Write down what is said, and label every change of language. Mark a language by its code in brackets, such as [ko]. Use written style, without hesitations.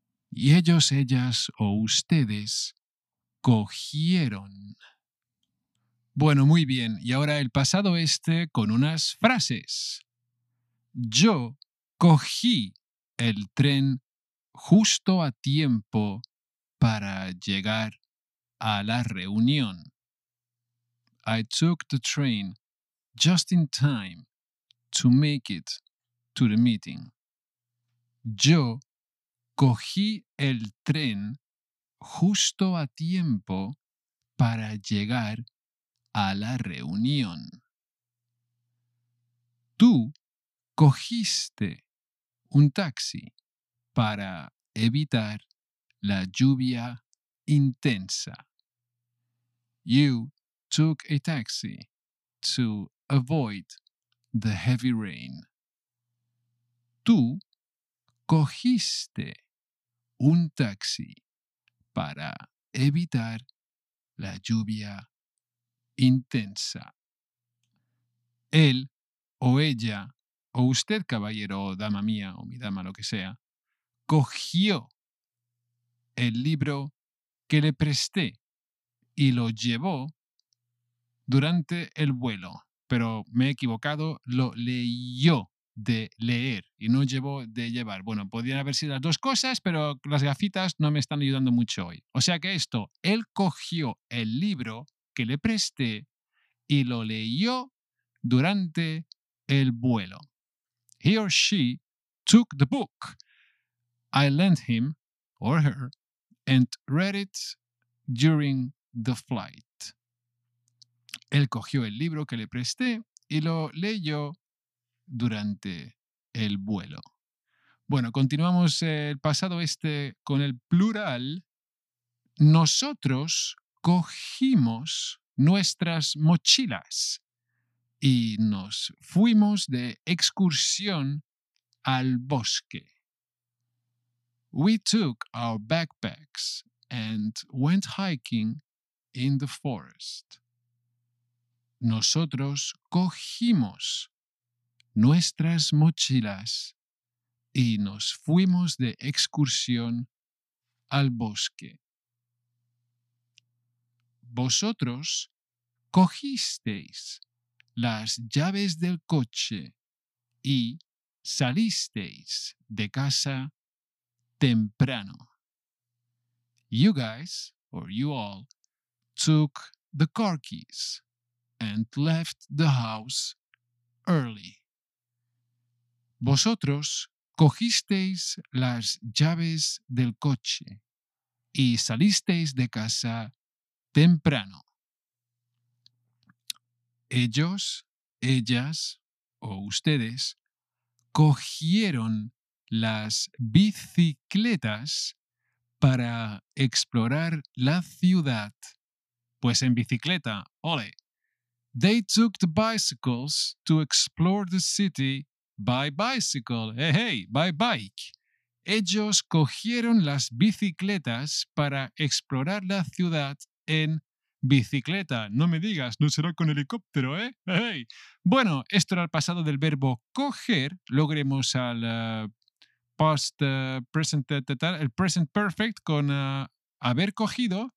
[es] Y ellos, ellas o ustedes cogieron. Bueno, muy bien. Y ahora el pasado este con unas frases. Yo cogí el tren justo a tiempo para llegar a la reunión. [en] I took the train just in time to make it to the meeting. [es] Yo cogí el tren justo a tiempo para llegar a la reunión. Tú cogiste un taxi para evitar la lluvia intensa. [en] You took a taxi to avoid the heavy rain. [es] Tú cogiste un taxi para evitar la lluvia intensa. Él o ella, o usted, caballero, o dama mía, o mi dama, lo que sea, cogió el libro que le presté y lo llevó durante el vuelo. Pero me he equivocado, lo leyó de leer y no llevó de llevar. Bueno, podrían haber sido las dos cosas, pero las gafitas no me están ayudando mucho hoy. O sea que esto, él cogió el libro que le presté y lo leyó durante el vuelo. [en] He or she took the book I lent him or her and read it during the flight. [es] Él cogió el libro que le presté y lo leyó durante el vuelo. Bueno, continuamos el pasado este con el plural. Nosotros cogimos nuestras mochilas y nos fuimos de excursión al bosque. [en] We took our backpacks and went hiking in the forest. [es] Nosotros cogimos nuestras mochilas y nos fuimos de excursión al bosque. Vosotros cogisteis las llaves del coche y salisteis de casa temprano. [en] You guys, or you all, took the car keys and left the house early. [es] Vosotros cogisteis las llaves del coche y salisteis de casa temprano. Ellos, ellas o ustedes cogieron las bicicletas para explorar la ciudad. Pues en bicicleta, ole. [en] They took the bicycles to explore the city by bicycle. Hey, hey, by bike. [es] Ellos cogieron las bicicletas para explorar la ciudad en bicicleta. No me digas, no será con helicóptero, ¿eh? Hey. Bueno, esto era el pasado del verbo coger. Logremos al el present perfect con haber cogido.